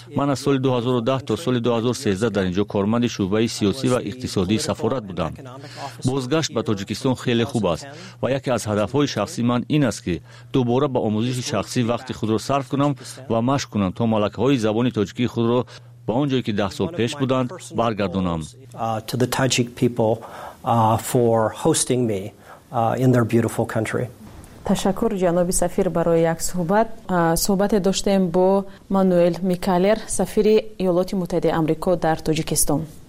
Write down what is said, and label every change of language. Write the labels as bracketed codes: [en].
[fa] من از سال 2010 تا سال 2013 در اینجا کارمند شعبه سیاسی و اقتصادی سفارت بودم. بازگشت به تاجیکستان خیلی خوب است و یکی از هدفهای شخصی من این است که دوباره به آموزش شخصی وقت خود را صرف کنم و مشق کنم تا ملکه های زبان تاجیکی خود رو با اونجا که 10 سال پیش بودند برگردونم [en] to the Tajik people for hosting me in their beautiful country [fa] تشکر جناب سفیر برای یک صحبت صحبت داشتیم با مانوئل میکالر سفیر ایالات متحده آمریکا در تاجیکستان